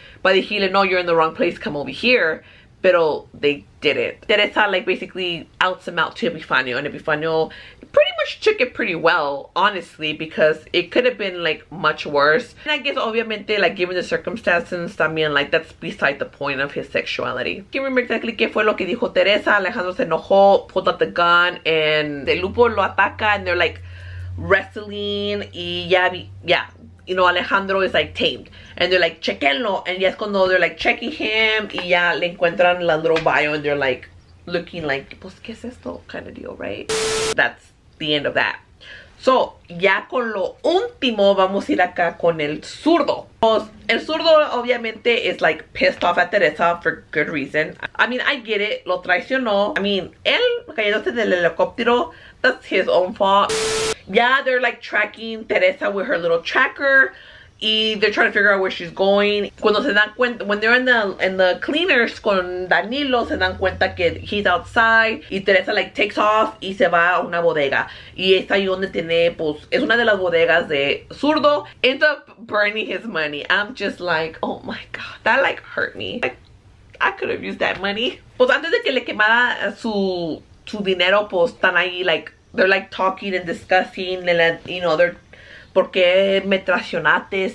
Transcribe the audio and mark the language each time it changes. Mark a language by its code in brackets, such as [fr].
[en] But he didn't know, you're in the wrong place, come over here. But they didn't. Teresa like basically outs him out to Epifanio, and Epifanio pretty much took it pretty well, honestly, because it could have been like much worse. And I guess [es] obviamente, [en] like, given the circumstances, [es] también [en] like that's beside the point of his sexuality. Can't remember exactly [es] qué fue lo que dijo Teresa. [en] Alejandro [es] se enojó, [en] pulled out the gun, and [es] el Lupo lo ataca, [en] and they're like wrestling, y ya, yeah. You know, Alejandro is like tamed, and they're like, [es] chequenlo, [en] and yes, cuando they're like checking him, [es] y ya le encuentran la [en] little bio, and they're like looking like, [es] pues, ¿qué es esto? [en] Kind of deal, right? That's the end of that. [es] So, ya con lo último, vamos a ir acá con el zurdo. Pues, el zurdo, obviamente, [en] is like pissed off at Teresa for good reason. I mean, I get it, [es] lo traicionó. [en] I mean, [es] él cayéndose del helicóptero, [en] that's his own fault. Yeah, they're like tracking Teresa with her little tracker, and they're trying to figure out where she's going. [es] Cuando se dan cuenta, [en] when they're in the cleaners [es] con Danilo, se dan cuenta que [en] he's outside, [es] y Teresa [en] like takes off [es] y se va a una bodega. Y está ahí donde tiene, pues, es una de las bodegas de zurdo. [en] Ends up burning his money. I'm just like, oh my god, that like hurt me. Like, I could have used that money. [es] Pues antes de que le quemara su dinero, pues están ahí like, [en] they're like talking and discussing, [es] and you know, they're, ¿por qué me traicionaste?